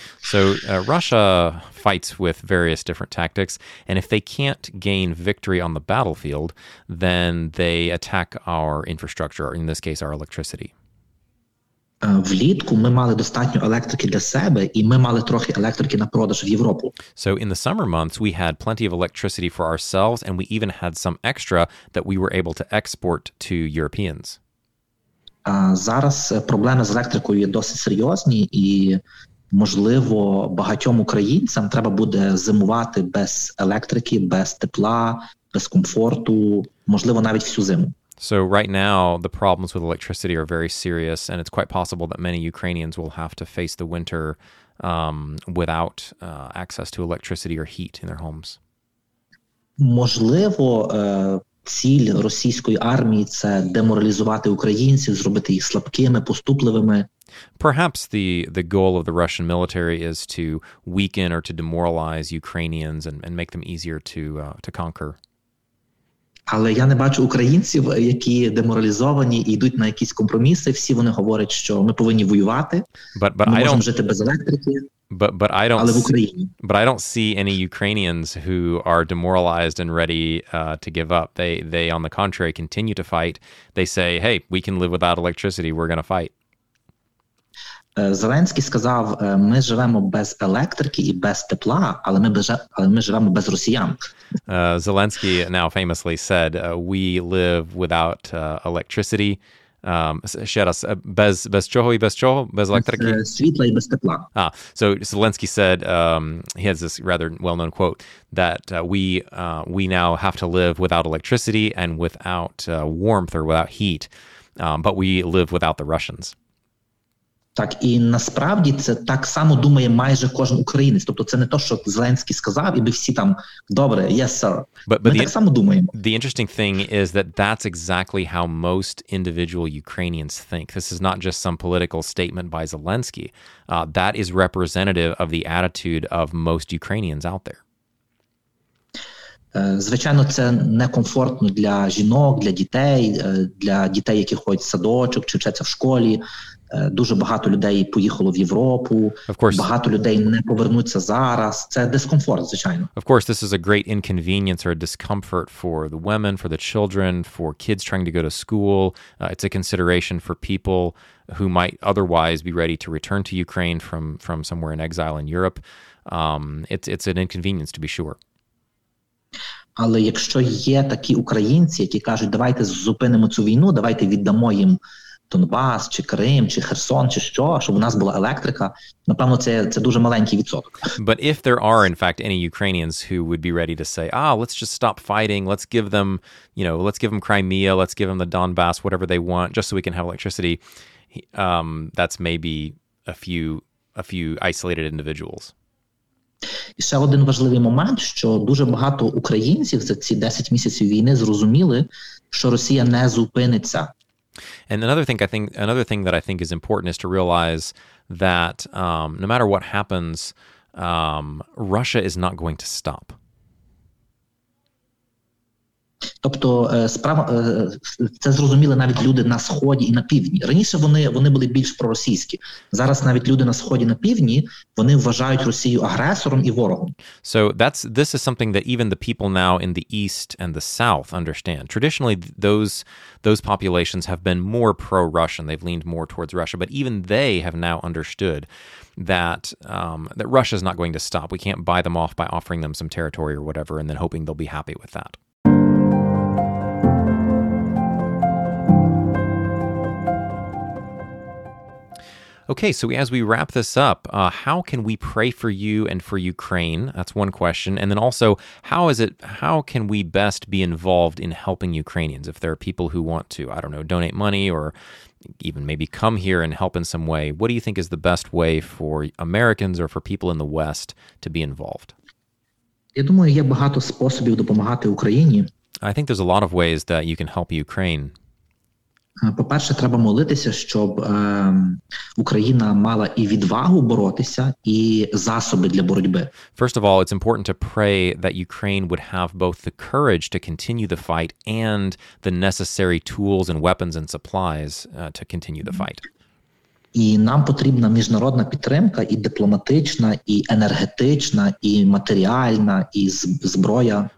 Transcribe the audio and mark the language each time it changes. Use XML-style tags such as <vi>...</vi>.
<en>So, Russia fights with various different tactics, and if they can't gain victory on the battlefield, then they attack our infrastructure, in this case our electricity.</en> <uk>Влітку ми мали достатньо електрики для себе, і ми мали трохи електрики на продаж в Європу.</uk> <en>So in the summer months, we had plenty of electricity for ourselves, and we even had some extra that we were able to export to Europeans.</en> <uk>Зараз проблеми з електрикою є досить серйозні, і, можливо, багатьом українцям треба буде зимувати без електрики, без тепла, без комфорту, можливо, навіть всю зиму.</uk> <en>So right now, the problems with electricity are very serious, and it's quite possible that many Ukrainians will have to face the winter without access to electricity or heat in their homes.</en> <uk>можливо, ціль російської армії – це деморалізувати українців, зробити їх слабкими, поступливими.</uk> <en>Perhaps the goal of the Russian military is to weaken or to demoralize Ukrainians and make them easier to conquer.</en> <uk>Але я не бачу українців, які деморалізовані і йдуть на якісь компроміси. Всі вони говорять, що ми повинні воювати,</uk> <en>but</en> <uk>ми</uk> <en>I</en> <uk>можемо</uk> <en>don't...</en> <uk>жити без електрики.</uk> <en>But I don't</en> <uk>але в Україні.</uk> <en>But I don't see any Ukrainians who are demoralized and ready to give up. They on the contrary continue to fight. They say, "Hey, we can live without electricity. We're going to fight."</en> <uk>Зеленський сказав, ми живемо без електрики і без тепла, але ми живемо без росіян.</uk> <en>Зеленський now famously said, "We live without electricity."</en> <uk>Ще раз, без чого і без чого? Без електрики? Без світла і без тепла.</uk> <en>So Zelensky said, he has this rather well-known quote, that we now have to live without electricity and without warmth or without heat, but we live without the Russians.</en> <uk>Так, і насправді це так само думає майже кожен українець. Тобто це не то, що Зеленський сказав, і би всі там, добре,</uk> <en>yes, sir. But</en> <uk>ми так само думаємо.</uk> <en>The interesting thing is that that's exactly how most individual Ukrainians think. This is not just some political statement by Zelensky. That is representative of the attitude of most Ukrainians out there.</en> <uk>Звичайно, це некомфортно для жінок, для дітей, які ходять в садочок, чи вчаться в школі. Дуже багато людей поїхало в Європу.</uk> <en>Of course.</en> <uk>Багато людей не повернуться зараз. Це дискомфорт, звичайно.</uk> <en>Of course, this is a great inconvenience or a discomfort for the women, for the children, for kids trying to go to school. It's a consideration for people who might otherwise be ready to return to Ukraine from somewhere in exile in Europe. It's an inconvenience, to be sure.</en> <uk>Але якщо є такі українці, які кажуть, давайте зупинимо цю війну, давайте віддамо їм Донбас, чи Крим, чи Херсон, чи що, щоб у нас була електрика, напевно, це дуже маленький відсоток.</uk> <en>But if there are, in fact, any Ukrainians who would be ready to say, let's just stop fighting, let's give them, you know, let's give them Crimea, let's give them the Donbass, whatever they want, just so we can have electricity, that's maybe a few isolated individuals.</en> <uk>І ще один важливий момент, що дуже багато українців за ці 10 місяців війни зрозуміли, що Росія не зупиниться.</uk> <en>And another thing that I think is important is to realize that no matter what happens, Russia is not going to stop.</en> <uk>Тобто справа це зрозуміли навіть люди на сході і на півдні. Раніше вони були більш проросійські. Зараз навіть люди на сході і на півдні, вони вважають Росію агресором і ворогом.</uk> <en>So this is something that even the people now in the east and the south understand. Traditionally those populations have been more pro-Russian. They've leaned more towards Russia, but even they have now understood that Russia is not going to stop. We can't buy them off by offering them some territory or whatever and then hoping they'll be happy with that. Okay, so as we wrap this up, how can we pray for you and for Ukraine? That's one question. And then also, how can we best be involved in helping Ukrainians if there are people who want to, I don't know, donate money or even maybe come here and help in some way? What do you think is the best way for Americans or for people in the West to be involved?</en> <uk>Я думаю, є багато способів допомагати Україні.</uk> <en>I think there's a lot of ways that you can help Ukraine.</en> <uk>По-перше, треба молитися, щоб Україна мала і відвагу боротися, і засоби для боротьби.</uk> <en>First of all, it's important to pray that Ukraine would have both the courage to continue the fight and the necessary tools and weapons and supplies to continue the fight.</en> <uk>І нам потрібна міжнародна підтримка і дипломатична, і енергетична, і матеріальна, і зброя.</uk>